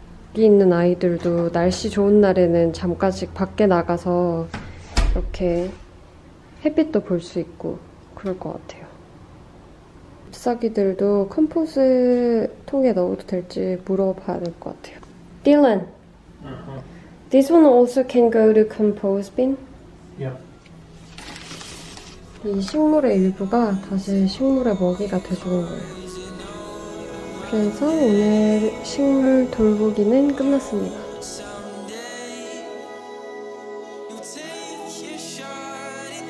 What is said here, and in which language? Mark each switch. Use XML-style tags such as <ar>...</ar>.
<ko>여기 있는 아이들도 날씨 좋은 날에는 잠깐씩 밖에 나가서 이렇게 햇빛도 볼 수 있고 그럴 것 같아요. 잎사귀들도 컴포즈 통에 넣어도 될지 물어봐야 될 것 같아요.</ko> <en>Dylan, this one also can go to compost bin? Yeah.</en> <ko>이 식물의 일부가 다시 식물의 먹이가 돼주는 거예요. 그래서 오늘 식물 돌보기는 끝났습니다.</ko>